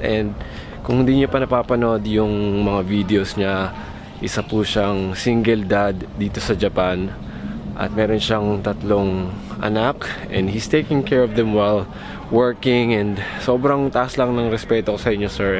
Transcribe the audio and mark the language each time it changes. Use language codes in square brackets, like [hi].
[tl] And kung hindi niyo pa napapanood yung mga videos niya, isa po siyang single dad dito sa Japan. At meron siyang tatlong anak. [en] And he's taking care of them while working. [tl] And sobrang taas lang ng respeto ko sa inyo, sir.